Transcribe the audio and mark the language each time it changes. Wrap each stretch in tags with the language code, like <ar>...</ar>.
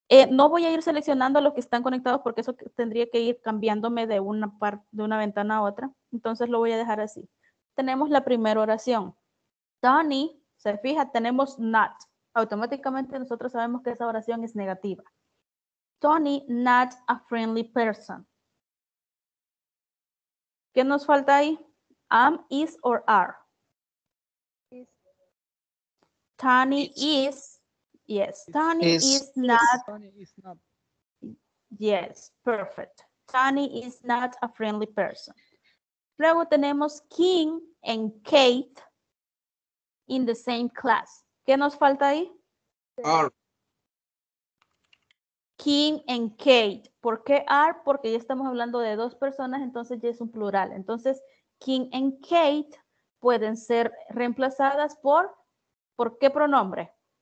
<es>No voy a ir seleccionando a los que están conectados porque eso tendría que ir cambiándome de una parte, de una ventana a otra. Entonces, lo voy a dejar así. Tenemos la primera oración. Tony, se fija, tenemos not. Automáticamente nosotros sabemos que esa oración es negativa.</es> <en>Tony, not a friendly person.</en> <es>¿Qué nos falta ahí?</es> <en>Am, is, or are. Is. Tony is. Yes. Tony is not. Tony is not. Yes, perfect. Tony is not a friendly person.</en> <es>Luego tenemos King and Kate</es> <en>in the same class.</en> <es>¿Qué nos falta ahí?</es> <en>Are. K</en> <es>Kim and Kate. ¿Por qué are? Porque ya estamos hablando de dos personas, entonces ya es un plural. Entonces, Kim and Kate pueden ser reemplazadas por qué pronombre?</es>